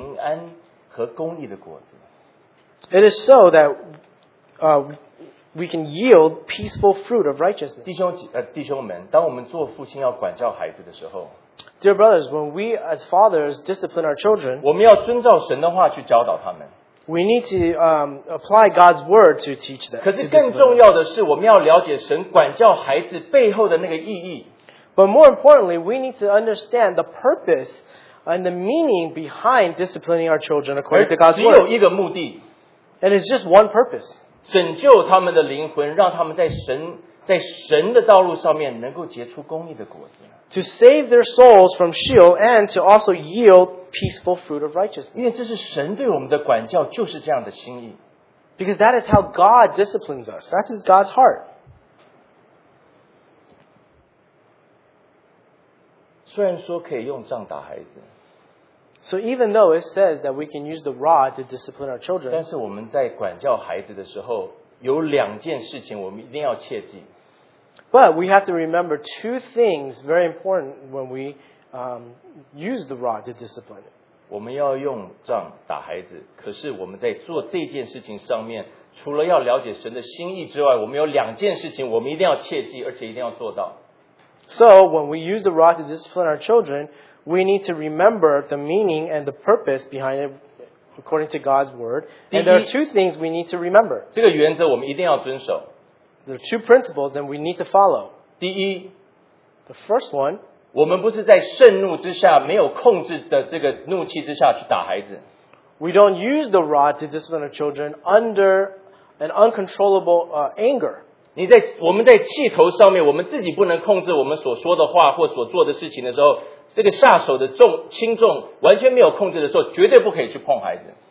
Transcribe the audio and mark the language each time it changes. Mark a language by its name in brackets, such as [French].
[Chinese] 是能够结出这个平安和公义的果子。 [English] It is so that we can yield peaceful fruit of righteousness. [Chinese] 弟兄们, 当我们做父亲要管教孩子的时候, [English] dear brothers, when we as fathers discipline our children, [Chinese] 我们要遵照神的话去教导他们, [English] we need to apply God's word to teach them. [Chinese] 可是更重要的是, 我们要了解神管教孩子背后的那个意义。 [English] But more importantly, we need to understand the purpose and the meaning behind disciplining our children according to God's word. [Chinese] 而只有一个目的。 [English] And it's just one purpose. [Chinese] 拯救他们的灵魂, 让他们在神, 在神的道路上面能够结出公义的果子。 [English] To save their souls from Sheol and to also yield peaceful fruit of righteousness. [Chinese] 因为这是神对我们的管教，就是这样的心意。 [English] Because that is how God disciplines us. That is God's heart. [Chinese] 虽然说可以用杖打孩子。 [English] So even though it says that we can use the rod to discipline our children. [Chinese] 但是我们在管教孩子的时候，有两件事情我们一定要切记。 [English] But we have to remember two things very important when we use the rod to discipline. [Chinese] 我们要用杖打孩子，可是我们在做这件事情上面，除了要了解神的心意之外，我们有两件事情我们一定要切记，而且一定要做到。 [English] So when we use the rod to discipline our children, we need to remember the meaning and the purpose behind it according to God's word. And there are two things we need to remember. [Chinese] 这个原则我们一定要遵守。 [English] There are two principles that we need to follow. [Chinese] 第一， [English] the first one, [Chinese] 我们不是在盛怒之下，没有控制的这个怒气之下去打孩子。 [English] We don't use the rod to discipline our children under an uncontrollable anger. [Chinese] 你在我们在气头上面，我们自己不能控制我们所说的话或所做的事情的时候，这个下手的重轻重完全没有控制的时候，绝对不可以去碰孩子。